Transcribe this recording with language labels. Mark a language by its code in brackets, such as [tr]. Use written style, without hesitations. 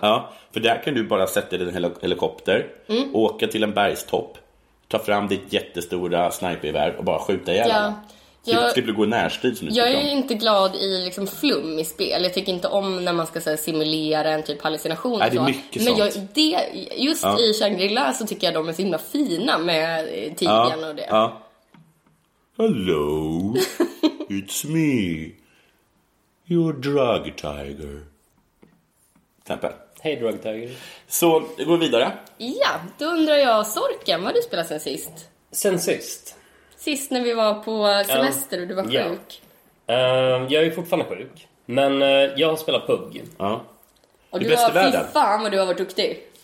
[sv] Ja, för där kan du bara sätta dig i en helikopter, åka till en bergstopp, ta fram ditt jättestora snipergevär och bara skjuta ihjäl. Jag är inte glad i liksom flum i spel. Jag tycker inte om när man ska så här, simulera en typ hallucination. Nej, det är mycket men jag, det, just i Shangri-La så tycker jag de är så himla fina med tigern och det. Ja. [en] Hello, it's me, your drug tiger. [sv] Tempel. Hej drug tiger. Så, går vi vidare. Ja, då undrar jag, Sorken, vad du spelat sen sist? Sen sist? Sist när vi var på semester och du var sjuk. Jag är fortfarande sjuk. Men jag har spelat PUBG. Ja. Och du har, fy fan vad du har varit duktig.